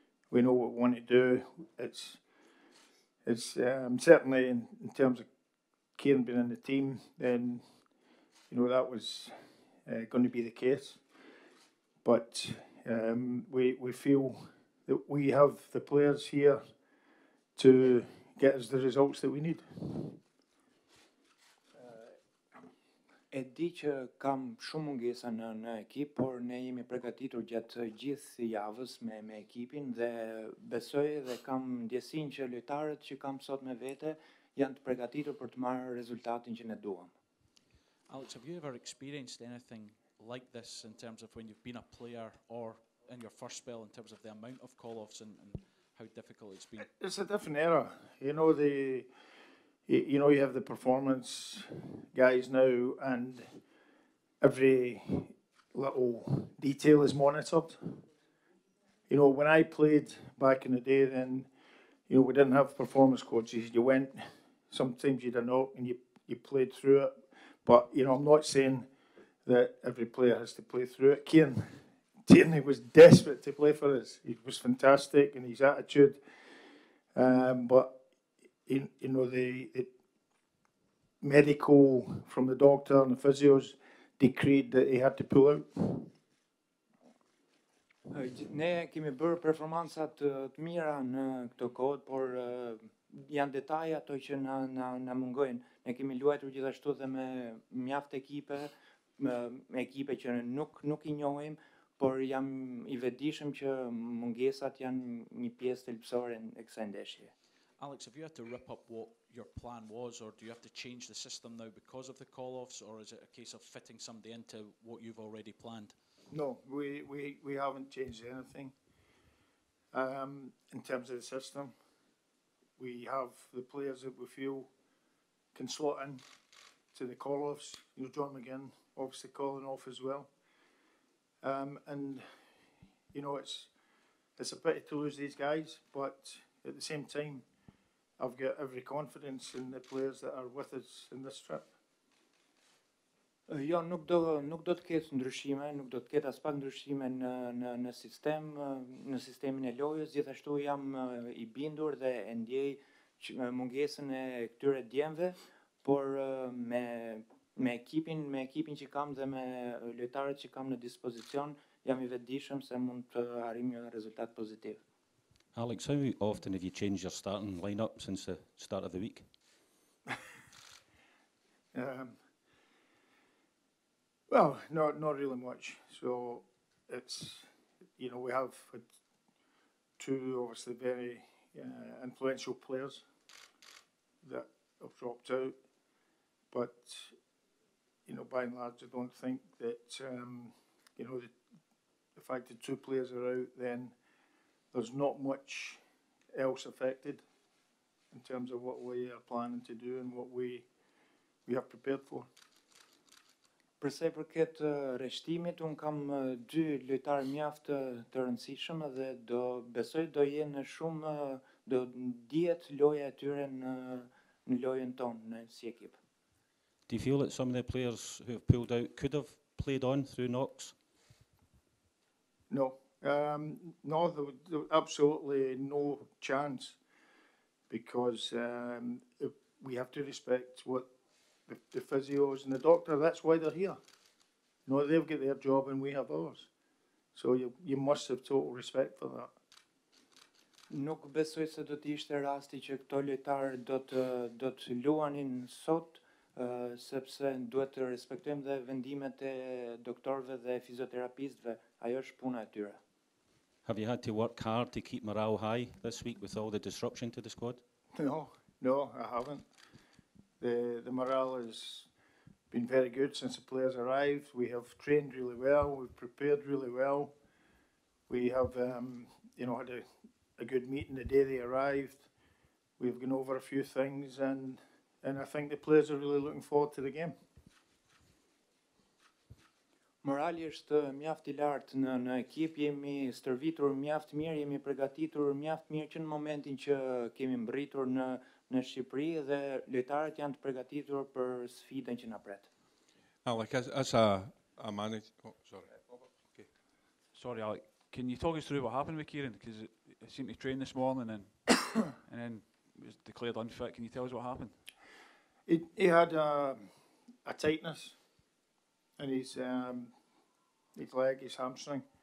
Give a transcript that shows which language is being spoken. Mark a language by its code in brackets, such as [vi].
[en] We know what we want to do. It's certainly in terms of Kieran being in the team, then, you know, that was going to be the case. But we feel that we have the players here to get us the results that we need. [sq] E di që kam shumë mungesa në ekip, por ne jemi përgatitur gjatë gjithë javës me ekipin dhe besoj dhe kam ndjesinë që lojtarët që kam sot me vete janë të përgatitur për të marrë rezultatin që ne duam. [en] Alex, have you ever experienced anything like this in terms of when you've been a player or in your first spell in terms of the amount of call-offs and how difficult it's been? It's a different era. You know, you have the performance guys now and every little detail is monitored. You know, when I played back in the day, then, you know, we didn't have performance coaches. You went, sometimes you didn't know, and you played through it. But, you know, I'm not saying that every player has to play through it. Kieran Tierney was desperate to play for us. He was fantastic in his attitude. But, you know, the medical from the doctor and the physios decreed that he had to pull out. [sq] Ne kemi bërë performancat të mira në këtë kod, por janë detaje ato që na mungojnë. Ne kemi luajtur gjithashtu dhe me mjaft ekipe, me ekipe që nuk i njohim, por jam i vetëdijshëm që mungesat janë një pjesë thelbësore e kësaj ndeshje. [en] Alex, have you had to rip up what your plan was, or do you have to change the system now because of the call-offs, or is it a case of fitting somebody into what you've already planned? No, we haven't changed anything in terms of the system. We have the players that we feel can slot in to the call-offs. You know, John McGinn obviously calling off as well. And, you know, it's a pity to lose these guys, but at the same time, I've got every confidence in the players that are with us in this trip. [sq] Jo, nuk do të ketë ndryshime, nuk do të ketë as pak ndryshime në sistem, në sistemin e lojës. Gjithashtu jam i bindur dhe e ndjej mungesën e këtyre djemve, por me ekipin që kam dhe me lojtarët që kam në dispozicion, jam i vetëdijshëm se mund të arrijmë një rezultat pozitiv. [en] Alex, how often have you changed your starting lineup since the start of the week? Well, not really much. So it's, you know, we have had two obviously very influential players that have dropped out. But, you know, by and large, I don't think that, you know, the fact that two players are out, then there's not much else affected in terms of what we are planning to do and what we have prepared for. [sq] Për sa I përket rreshtimit, un kam dy lojtarë mjaft të rëndësishëm dhe do besoj do jenë shumë do dihet loja e tyre në lojën tonë në si ekip. [en] Do you feel that some of the players who have pulled out could have played on through Knox? No. No, there was absolutely no chance because we have to respect what the physios and the doctor, that's why they're here. No, they've got their job and we have ours. So you must have total respect for that. [sq] Nuk besoj se do të ishte rasti që këto lojtarë do të luanin sot, sepse duhet të respektojmë dhe vendimet e doktorëve dhe fizioterapistëve. Ajo është puna e tyre. [en] Have you had to work hard to keep morale high this week with all the disruption to the squad? No, I haven't. The morale has been very good since the players arrived. We have trained really well. We've prepared really well. We have, you know, had a good meeting the day they arrived. We've gone over a few things and and I think the players are really looking forward to the game. [sq] Morali është mjaft I lartë në ekip, jemi stërvitur mjaft mirë, jemi përgatitur mjaft mirë që në momentin që kemi mbritur në Shqipëri dhe lojtarët janë të përgatitur për sfidën që na pret. [en] Alec, as a manager, Sorry, Alec, can you talk us through what happened with Kieran? Because he seemed to train this morning and then was declared unfit. Can you tell us what happened? He had a tightness in his leg, his hamstring.